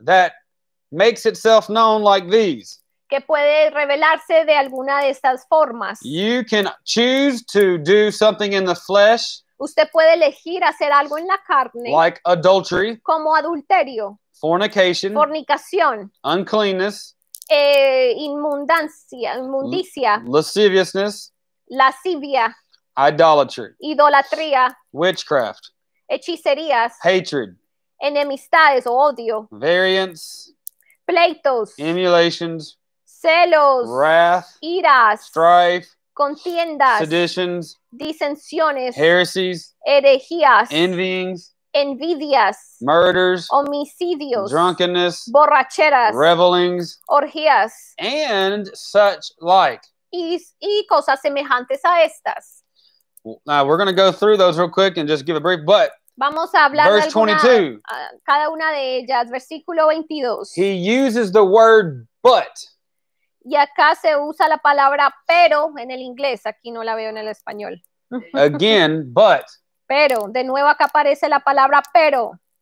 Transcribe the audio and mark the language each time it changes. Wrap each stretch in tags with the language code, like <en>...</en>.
<en>That makes itself known like these.</en> <es>Que puede revelarse de alguna de estas formas.</es> <en>You can choose to do something in the flesh.</en> <es>Usted puede elegir hacer algo en la carne.</es> <en>Like adultery.</en> <es>Como adulterio.</es> <en>Fornication.</en> <es>Fornicación.</es> <en>Uncleanness.</en> <es>Inmundicia,</es> <en>lasciviousness,</en> <es>lascivia,</es> <en>idolatry,</en> <es>idolatría,</es> <en>witchcraft,</en> <es>hechicerías,</es> <en>hatred,</en> <es>enemistades o odio,</es> <en>variance,</en> <es>pleitos,</es> <en>emulations,</en> <es>celos,</es> <en>wrath,</en> <es>iras,</es> <en>strife,</en> <es>contiendas,</es> <en>seditions,</en> <es>disensiones,</es> <en>heresies,</en> <es>herejías,</es> <en>envyings,</en> <es>envidias,</es> <en>murders,</en> <es>homicidios,</es> <en>drunkenness,</en> <es>borracheras,</es> <en>revelings,</en> <es>orgías,</es> <en>and such like.</en> <es>Y cosas semejantes a estas.</es> <en>Now we're going to go through those real quick and just give a brief, but</en> <es>vamos a hablar</es> <en>verse 22,</en> <es>cada una de ellas, versículo 22.</es> <en>He uses the word but.</en> <es>Y acá se usa la palabra pero en el inglés, aquí no la veo en el español.</es> <en>Again, but.</en> <es>Pero, de nuevo acá aparece la palabra pero.</es>